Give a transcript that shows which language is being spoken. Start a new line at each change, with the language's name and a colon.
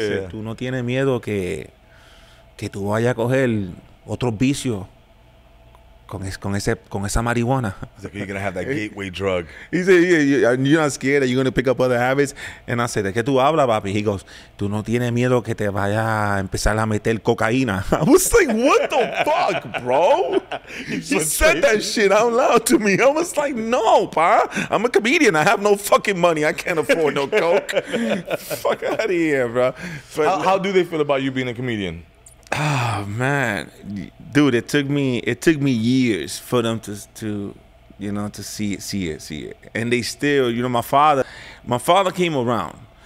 English: He said,
Spanish: tú no tienes miedo que tú vayas a coger otro vicio con esa marihuana.
English: He's like, you're going to have that gateway drug. He said, you're not scared that you're going to pick up other habits. And I said,
Spanish: ¿de qué tú hablas, papi?
English: He goes,
Spanish: tú no tienes miedo que te vaya a empezar a meter cocaína.
English: I was like, what the fuck, bro? He said that shit out loud to me. I was like, no, pa. I'm a comedian. I have no fucking money. I can't afford no coke. Fuck out of here, bro. But how do they feel about you being a comedian? Oh, man, dude, it took me years for them to see it. And they still, you know, my father came around,